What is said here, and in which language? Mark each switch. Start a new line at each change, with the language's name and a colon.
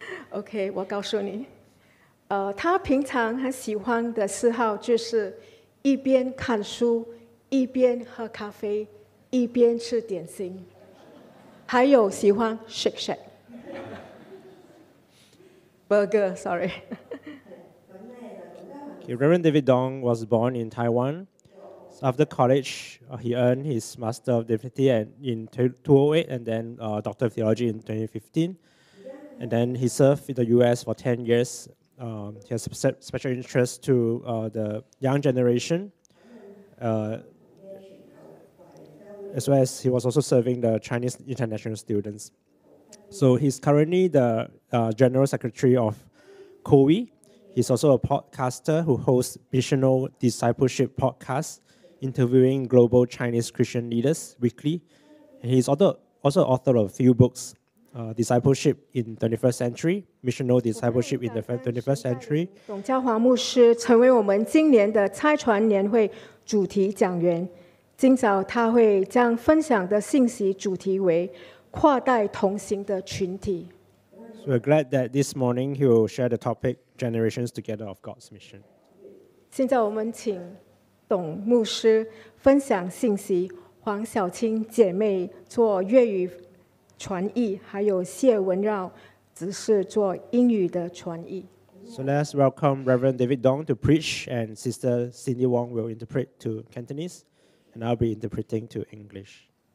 Chinese: OK， 我告诉你，他平常很喜欢的嗜好就是一边看书，一边喝咖啡，一边吃点心，还有喜欢
English: shake shake。 Okay, Reverend David Dong was born in Taiwan. So after college, he earned his Master of Divinity in 2008 and then Doctor of Theology in 2015. And then he served in the U.S. for 10 years. He has special interest to the young generation, as well as he was also serving the Chinese international students. So he's currently the General Secretary of COWI. He's also a podcaster who hosts Missional Discipleship Podcast, interviewing global Chinese Christian leaders weekly. And he's also author of a few books, Discipleship in the 21st Century, Missional Discipleship in the 21st Century.
Chinese: 董嘉华牧师成为我们今年的拆船年会主题讲员。今早他会将分享的信息主题为跨代同行的群体。
English: So we're glad that this morning he will share the topic Generations Together of God's Mission.
Chinese: 现在我们请董牧师分享信息，黄小青姐妹做粤语传译，还有谢文绕执事做英语的传译。
English: So let's welcome Reverend David Dong to preach, and Sister Cindy Wong will interpret to Cantonese, and I'll be interpreting to English.